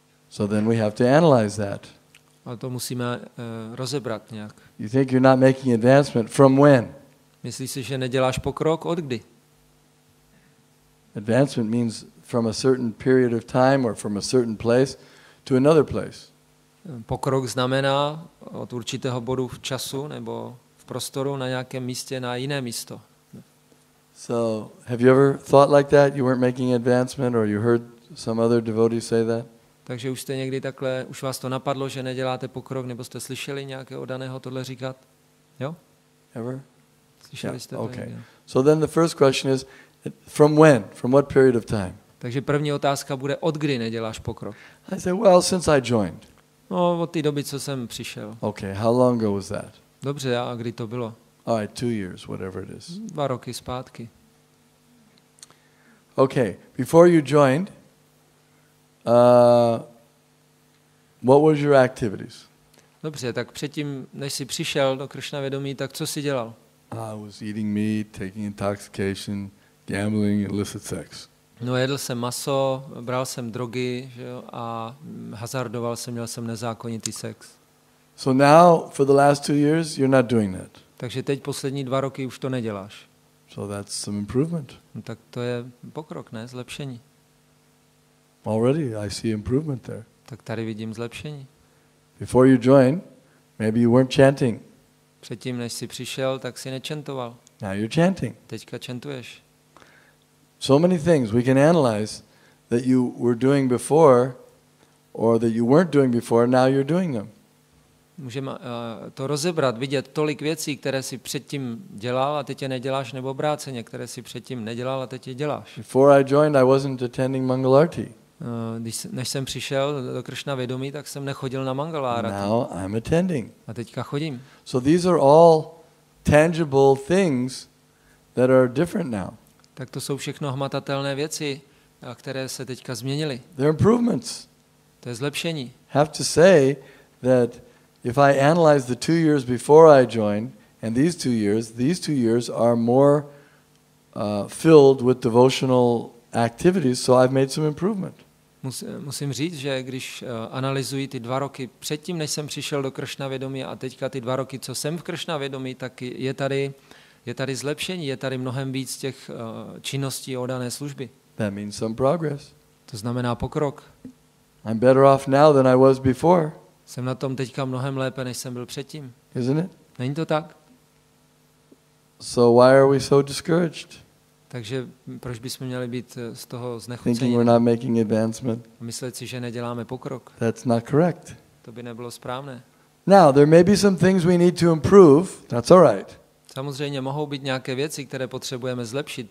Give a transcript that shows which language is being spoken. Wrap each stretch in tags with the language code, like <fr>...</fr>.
<en>So then we have to analyze that.</en> <cs>A to musíme rozebrat nějak.</cs> <en>You think you're not making advancement, from when?</en> <cs>Myslíš si, že neděláš pokrok, od kdy?</cs> <en>Advancement means from a certain period of time or from a certain place to another place.</en> <cs>Pokrok znamená od určitého bodu v času nebo v prostoru na nějakém místě na jiné místo.</cs> <en>So, have you ever thought like that? You weren't making advancement, or you heard some other devotee say that?</en> <cs>Takže už jste někdy takhle, už vás to napadlo, že neděláte pokrok, nebo jste slyšeli nějakého daného tohle říkat? Jo?</cs> <en>Ever?</en> <cs>Slyšeli jste to?</cs> <en>Okay. So then the first question is from when? From what period of time?</en> <cs>Takže první otázka bude, od kdy neděláš pokrok?</cs> <en>I said, well, since I joined.</en> <cs>No, od té doby, co jsem přišel.</cs> <en>Okay, how long ago was that?</en> <cs>Dobře, a kdy to bylo?</cs> <en>All right, 2 years, whatever it is.</en> <cs>2 roky zpátky.</cs> <en>Okay, before you joined, what was your activities?</en> <cs>Dobře, tak předtím, než jsi přišel do Krishna vědomí, tak co jsi dělal?</cs> <en>I was eating meat, taking intoxication, gambling, illicit sex.</en> <cs>No, jedl jsem maso, bral jsem drogy, že jo, a hazardoval jsem, měl jsem nezákonitý sex.</cs> <en>So now for the last 2 years you're not doing that.</en> <cs>Takže teď poslední 2 roky už to neděláš.</cs> <en>So that's some improvement.</en> <cs>No, tak to je pokrok, ne, zlepšení.</cs> <en>Already I see improvement there.</en> <cs>Tak tady vidím zlepšení.</cs> <en>Before you joined, maybe you weren't chanting.</en> <cs>Předtím, než jsi přišel, tak jsi nečantoval.</cs> <en>Now you're chanting.</en> <cs>Teďka čantuješ.</cs> <en>So many things we can analyze that you were doing before or that you weren't doing before, now you're doing them.</en> <cs>Můžeme to rozebrat, vidět tolik věcí, které si předtím dělal a teď je neděláš, nebo obráceně, které si předtím nedělal a teď je děláš.</cs> <en>Before I joined, I wasn't attending Mangalarti.</en> <cs>Než jsem přišel do Krishna vědomí, tak jsem nechodil na Mangalarti.</cs> <en>Now I'm attending.</en> <cs>A teďka chodím.</cs> <en>So these are all tangible things that are different now.</en> <cs>Tak to jsou všechno hmatatelné věci, které se teďka změnily.</cs> <en>They're improvements.</en> <cs>To je zlepšení.</cs> <en>Have to say that if I analyze the 2 years before I joined and these two years are more filled with devotional activities, so I've made some improvement.</en> <cs>Musím říct, že když analyzuji ty 2 roky předtím, než jsem přišel do Krishna vědomí a teďka ty 2 roky, co jsem v Krishna vědomí, tak je tady zlepšení, je tady mnohem víc těch činností oddané služby.</cs> <en>That means some progress.</en> <cs>To znamená pokrok.</cs> <en>I'm better off now than I was before.</en> <cs>Jsem na tom teďka mnohem lépe, než jsem byl předtím.</cs> <en>Isn't it?</en> <cs>Není to tak?</cs> <en>So why are we so discouraged?</en> <cs>Takže proč bychom měli být z toho znechucení?</cs> <en>Thinking we're not making advancement.</en> <cs>A myslet si, že neděláme pokrok.</cs> <en>That's not correct.</en> <cs>To by nebylo správné.</cs> <en>Now there may be some things we need to improve. That's all right.</en> <cs>Samozřejmě mohou být nějaké věci, které potřebujeme zlepšit.</cs>